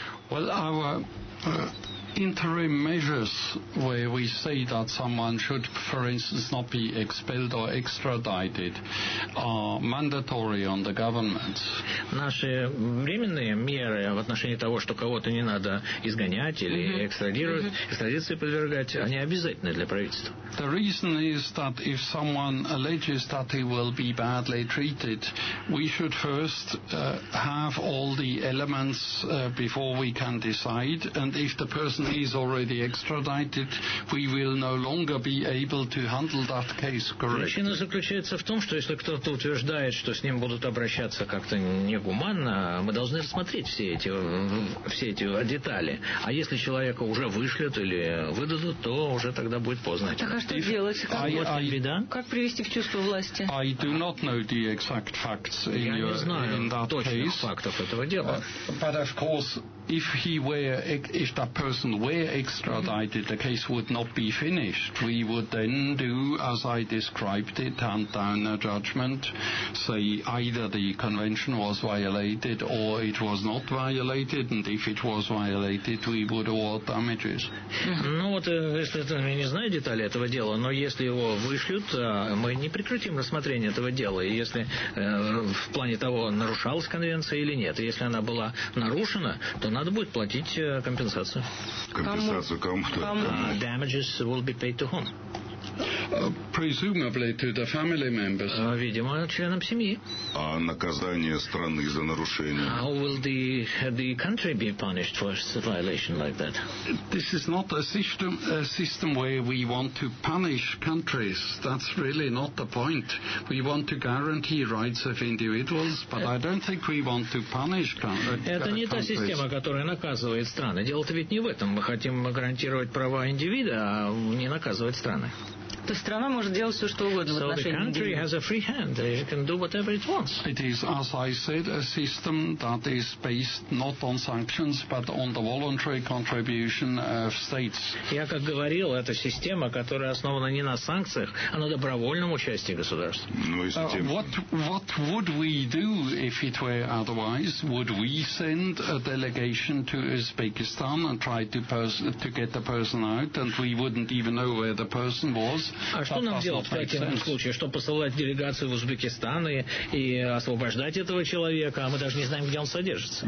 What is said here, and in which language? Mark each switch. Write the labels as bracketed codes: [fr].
[en] Well, our interim measures, where we say that someone should, for instance, not be expelled or extradited, are mandatory on the government. [ru] Наши временные меры в отношении того, что кого-то не надо изгонять или экстрадиции подвергать, они обязательны для правительства. [en] The reason is that if someone alleges that he will be badly treated, we should first have all the elements before we can decide, and if the person is already extradited, we will no longer be able to handle that case correctly. [ru] Причина заключается в том, что если кто-то утверждает, что с ним будут обращаться как-то негуманно, мы должны рассмотреть все эти детали. А если человека уже вышлют или выдадут, то уже тогда будет поздно. Так, а что делать? Как привести в чувство власти? [en] I do not know the exact facts in that case. [ru] Я не знаю точных фактов этого дела. [en] But of course, if that person were extradited, the case would not be finished. We would then do as I described it, hand down a judgment, say either the convention was violated or it was not violated, and if it was violated, we would award damages. [ru] Ну вот, если это, я не знаю детали этого дела, но если его вышлют, мы не прекратим рассмотрение этого дела, если в плане того, нарушалась конвенция или нет. Если она была нарушена, то надо будет платить компенсацию. Компенсацию кому-то? [en] Damages will be paid to whom? presumably to the family members. [ru] Видимо, членам семьи. А наказание страны за нарушение? [en] How will the country be punished for a violation like that? This is not a system where we want to punish countries. That's really not the point. We want to guarantee rights of individuals, but I don't think we want to punish countries. [ru] Это не та система, которая наказывает страны. Дело-то ведь не в этом. Мы хотим гарантировать права индивида, а не наказывать страны. То есть страна может делать все, что угодно в отношении индивида. [en] So the country has a free hand. It can do whatever it wants. It is, as I said, a system that is based not on sanctions, but on the voluntary contribution of states. [ru] Я как говорил, это система, которая основана не на санкциях, а на добровольном участии государств. [en] What would we do if it were otherwise? Would we send a delegation to Uzbekistan and try to get the person out, and we wouldn't even know where the person was? [ru] А что нам делать в таком случае? Что посылать делегацию в Узбекистан и освобождать этого человека, а мы даже не знаем, где он содержится?